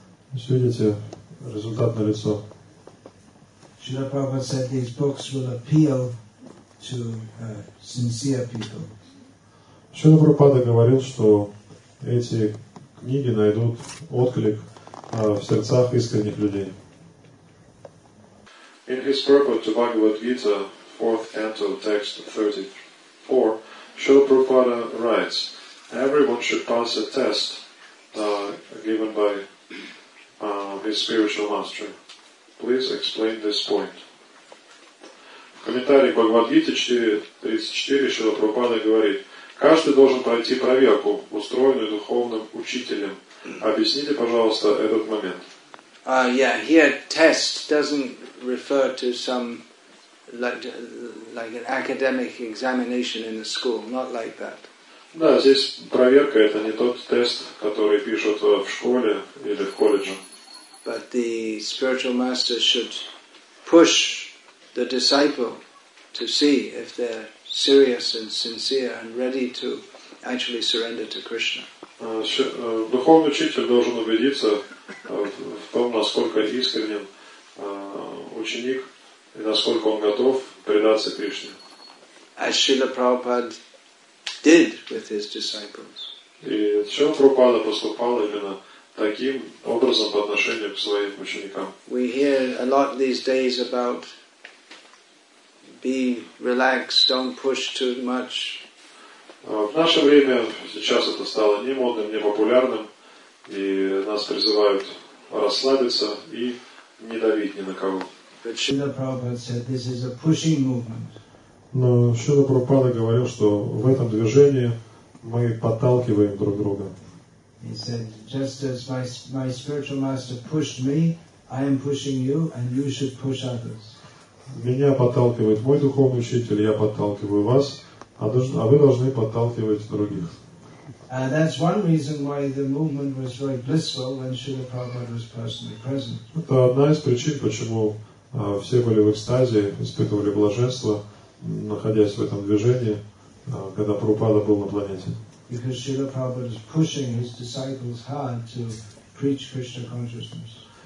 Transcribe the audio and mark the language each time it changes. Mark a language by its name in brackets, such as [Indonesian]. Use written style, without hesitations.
[Russian] То есть, видите, результат налицо. [English] Шрила Прабхупада said these books will appeal to sincere people. [Russian] Шрила Прабхупада говорил, что эти книги найдут отклик в сердцах искренних людей. [English] In his purport to Bhagavad Gita, 4th canto, text 34, Srila Prabhupada writes, everyone should pass a test given by his spiritual master. Please explain this point. [Russian] В комментарии к Бхагавад Гите 4.34 Шрила Прабхупада говорит, каждый должен пройти проверку, устроенную духовным учителем. Объясните, пожалуйста, этот момент. [English] Here test doesn't refer to some like an academic examination in the school, not like that. [Russian] Да, здесь проверка это не тот тест, который пишут в школе или в колледже. [English] But the spiritual master should push the disciple to see if they're serious and sincere and ready to actually surrender to Krishna. [Russian] Духовный учитель должен убедиться в том, насколько искренен ученик и насколько он готов предаться Кришне. [English] As Srila Prabhupada did with his disciples. [Russian] И Srila Prabhupada поступал именно таким образом по отношению к своим ученикам. [English] We hear a lot these days about be relaxed, don't push too much. [Russian] В наше время сейчас это стало не модным, не популярным, и нас призывают расслабиться и не давить ни на кого. [English] But Srila Prabhupada said this is a pushing movement. [Russian] Но Шрила Прабхупада говорил, что в этом движении мы подталкиваем друг друга. [English] He said, just as my spiritual master pushed me, I am pushing you, and you should push others. [Russian] Меня подталкивает мой духовный учитель, я подталкиваю вас, а вы должны подталкивать других. [English] And that's one reason why the movement was very blissful when Srila Prabhupada was personally present. [Russian] Это одна из причин, почему все были в экстазе, испытывали блаженство, находясь в этом движении, когда Прабхупада был на планете. [English] Because Srila Prabhupada is pushing his disciples hard to preach Krishna consciousness.